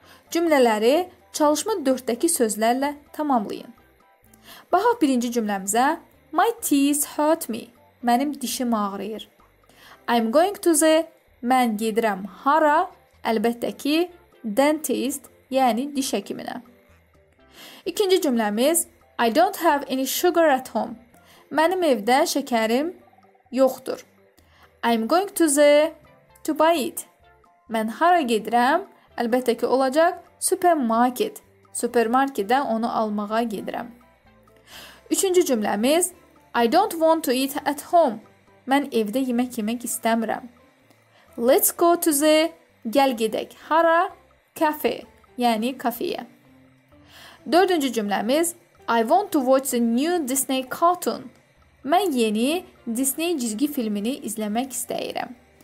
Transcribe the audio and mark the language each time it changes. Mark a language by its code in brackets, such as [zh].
[az] Cümlələri çalışma 4-dəki sözlərlə tamamlayın. Baxaq 1-ci cümləmizə. [en] My teeth hurt me. [az] Mənim dişim ağrıyır. [en] I'm going to the. [az] Mən gedirəm hara? Əlbəttə ki, dentist, yəni diş həkiminə. 2-ci cümləmiz. [en] I don't have any sugar at home. [az] Mənim evdə şəkərim yoxdur. [en] I'm going to the. To buy it. [az] Mən hara gedirəm? Əlbəttə ki, olacaq supermarket. Supermarketdən onu almağa gedirəm. Üçüncü cümləmiz [en] I don't want to eat at home. [az] Mən evdə yemək yemək istəmirəm. [en] Let's go to the [az] Gəl gedək. Hara? Cafe. Yəni, kafeyə. Dördüncü cümləmiz [en] I want to watch the new Disney cartoon. [az] Mən yeni Disney cizgi filmini izləmək istəyirəm.